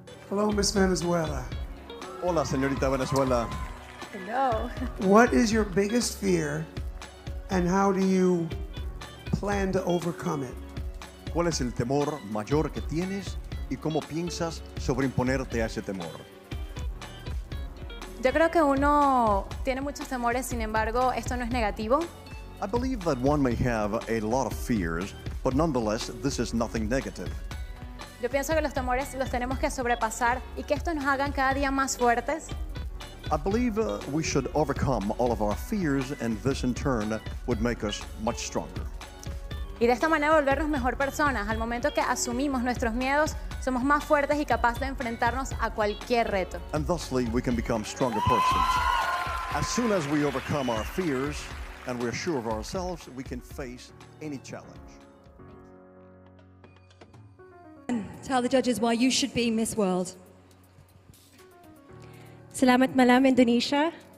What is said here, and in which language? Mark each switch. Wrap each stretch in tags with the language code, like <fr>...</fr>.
<en>Hello, Miss Venezuela.</en> <es>Hola, señorita Venezuela.</es> <en>Hello. What is your biggest fear, and how do you plan to overcome it?</en> <es>¿Cuál es el temor mayor que tienes, y cómo piensas sobreimponerte a ese temor? Yo creo que uno tiene muchos temores, sin embargo, esto no es negativo.</es> <en>I believe that one may have a lot of fears, but nonetheless, this is nothing negative.</en> <es>Yo pienso que los temores los tenemos que sobrepasar y que esto nos hagan cada día más fuertes.</es> <en>I believe we should overcome all of our fears and this in turn would make us much stronger.</en> <es>Y de esta manera volvernos mejor personas. Al momento que asumimos nuestros miedos, somos más fuertes y capaces de enfrentarnos a cualquier reto.</es> <en>And thusly we can become stronger persons. As soon as we overcome our fears and we are sure of ourselves, we can face any challenge. Tell the judges why you should be Miss World.</en> <id>Selamat malam, Indonesia.</id>